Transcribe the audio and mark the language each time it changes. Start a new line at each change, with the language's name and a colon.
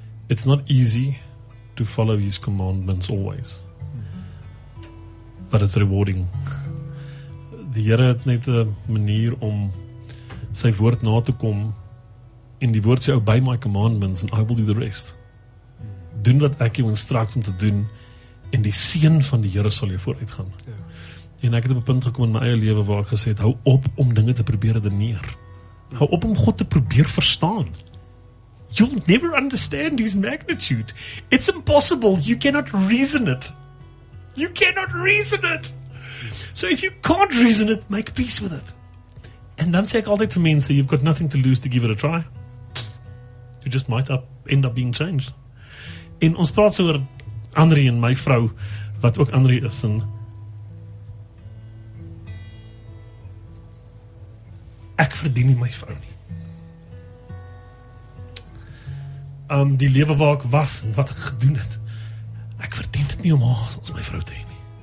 English: It's not easy to follow his commandments always, but it's rewarding.
Afrikaans: Die Here het net 'n manier om sy woord na te kom. In die woord sê ou,
English: by my commandments and I will do the rest.
Afrikaans: Doen wat ek jou instruct om te doen en die seën van die Here sal jou vooruit gaan. Yeah. En ek het op 'n punt gekom in my eie lewe waar ek gesê het, hou op om dinge te probeer redeneer. Hou op om God te probeer verstaan.
English: You'll never understand his magnitude. It's impossible. You cannot reason it. You cannot reason it. So if you can't reason it, make peace with it. And
Afrikaans: dan sê ek altyd vir mense,
English: you've got nothing to lose to give it a try. You just might up, end up being changed.
Afrikaans: En ons praat so oor Andrie en my vrou, wat ook Andrie is. En ek verdien nie my vrou nie. Die lewe waar ek was en wat ek gedoen het, ek verdien dit nie om haar as my vrou te hê nie.